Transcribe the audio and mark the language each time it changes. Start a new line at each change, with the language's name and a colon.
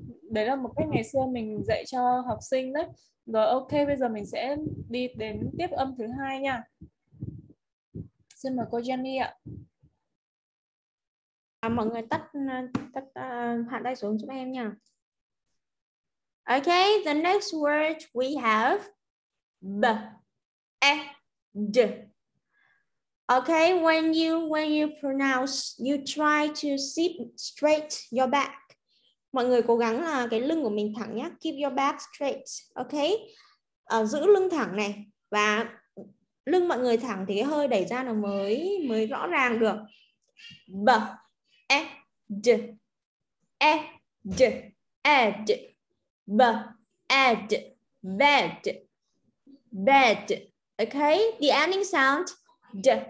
Vietnamese: Đấy là một cách ngày xưa mình dạy cho học sinh đấy. Rồi ok, bây giờ mình sẽ đi đến tiếp âm thứ hai nha. Xin mời cô Jenny ạ. À, mọi người tắt hạ tay xuống giúp em nha.
English: Ok, the next word we have b-e-d. Ok, when you pronounce, you try to sit straight your back.
Vietnamese: Mọi người cố gắng là cái lưng của mình thẳng nhé.
English: Keep your back straight. Ok.
Vietnamese: Giữ lưng thẳng này. Và lưng mọi người thẳng thì cái hơi đẩy ra nó mới rõ ràng được.
English: B. E. D. E. D. E. D. B. E. D. Bed. Bed. Ok. The ending sound. D.